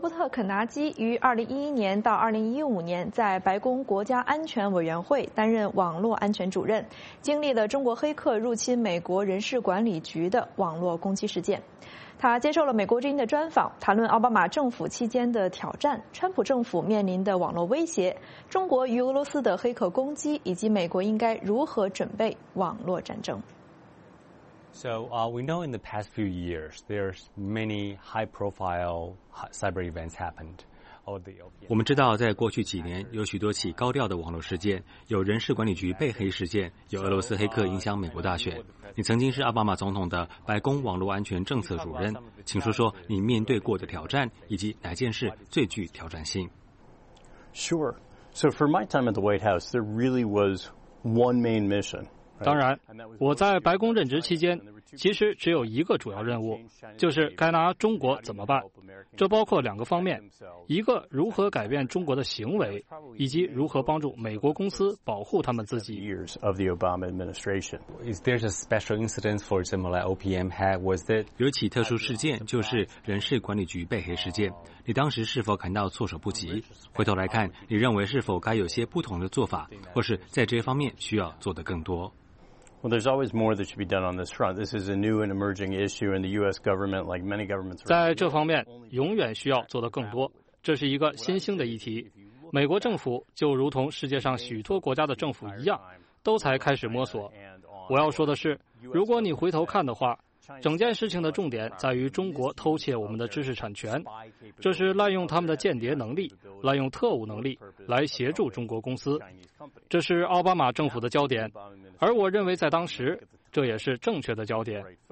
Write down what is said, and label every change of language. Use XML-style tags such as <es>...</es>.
<zh>肯达基于2011年到2015年在白宫国家安全委员会担任网络安全主任，经历了中国黑客入侵美国人事管理局的网络攻击事件。他接受了美国之音的专访，谈论奥巴马政府期间的挑战、川普政府面临的网络威胁、中国与俄罗斯的黑客攻击，以及美国应该如何准备网络战争。</zh> <en>So, we know in the past few years, there's many high-profile cyber events happened.</en> <zh>我们知道在过去几年有许多起高调的网络事件，有人事管理局被黑事件，有俄罗斯黑客影响美国大选。你曾经是奥巴马总统的白宫网络安全政策主任，请说说你面对过的挑战以及哪件事最具挑战性。</zh> <en>Sure. So for my time at the White House, there really was one main mission.</en> <zh>当然，我在白宫任职期间，其实只有一个主要任务，就是该拿中国怎么办。这包括两个方面，一个如何改变中国的行为，以及如何帮助美国公司保护他们自己。</zh> <en>Years of the Obama administration. Is there a special incident for example like OPM had? Was it</en> <zh>有起特殊事件，就是人事管理局被黑事件。你当时是否感到措手不及？回头来看，你认为是否该有些不同的做法，或是在这方面需要做得更多？</zh> <en>Well, there's always more that should be done on this front. This is a new and emerging issue in the U.S. government, like many governments.</en> <zh>在这方面，永远需要做得更多。这是一个新兴的议题。美国政府就如同世界上许多国家的政府一样，都才开始摸索。我要说的是，如果你回头看的话，整件事情的重点在于中国偷窃我们的知识产权，这是滥用他们的间谍能力，滥用特务能力来协助中国公司，这是奥巴马政府的焦点，而我认为在当时这也是正确的焦点。</zh>